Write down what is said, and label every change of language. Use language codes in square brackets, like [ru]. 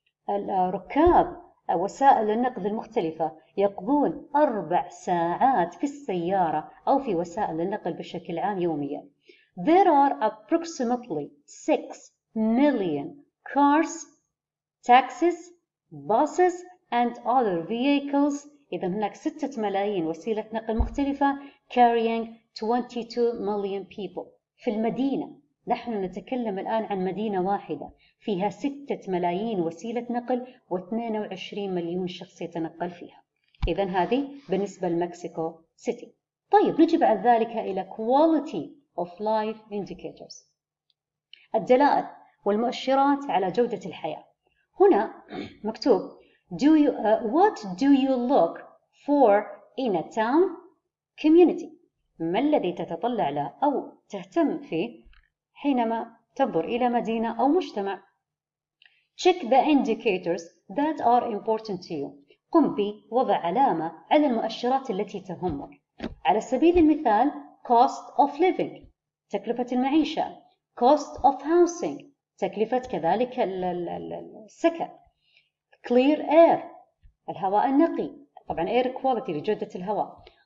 [ar] الركاب وسائل النقل المختلفة يقضون 4 ساعات في السيارة أو في وسائل النقل بشكل عام يوميا. [en] There are approximately 6 million cars, taxis, buses and other vehicles. [ar] إذا هناك 6 ملايين وسيلة نقل مختلفة [en] carrying 22 million people [ar] في المدينة. نحن نتكلم الآن عن مدينة واحدة فيها 6 ملايين وسيلة نقل و 22 مليون شخص يتنقل فيها. إذا هذه بالنسبة لمكسيكو سيتي. طيب نجي بعد ذلك إلى [en] quality of life indicators, [ar] الدلائل والمؤشرات على جودة الحياة. هنا مكتوب [en] what do you look for in a town community. [ar] ما الذي تتطلع له أو تهتم فيه حينما تنظر إلى مدينة أو مجتمع. [en] Check the indicators that are important to you. [ar] قم بوضع علامة على المؤشرات التي تهمك. على سبيل المثال [en] cost of living, [ar] تكلفة المعيشة. [en] Cost of housing, [ar] تكلفة كذلك السكن. [en] Clear air, [ar] الهواء النقي, طبعا [en] air quality [ar] لجودة الهواء.